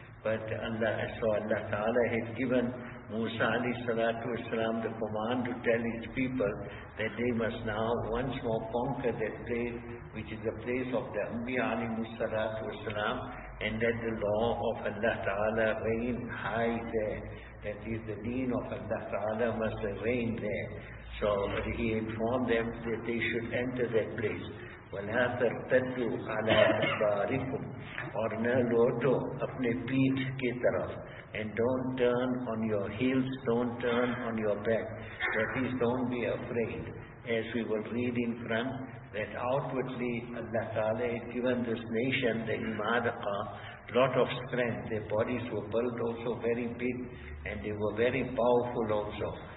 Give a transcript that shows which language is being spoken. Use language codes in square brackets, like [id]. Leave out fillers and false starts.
[en] But Allah Ta'ala had given Musa alayhi salatu wasalam the command to tell his people that they must now once more conquer that place, which is the place of the Anbiya alayhi salatu wasalam, and that the law of Allah Ta'ala reign high there. That is, the deen of Allah Ta'ala must reign there. So he informed them that they should enter that place. [ar] وَلَا تَرْتَدُّوا عَلَىٰ أَدْبَارِكُمْ [ur] اور نہ لوٹو اپنے پیٹھ کے طرف. [en] And don't turn on your heels, don't turn on your back. That is, don't be afraid. As we will read in front, that outwardly Allah Ta'ala had given this nation, the Imadaqa, lot of strength. Their bodies were built also very big and they were very powerful also.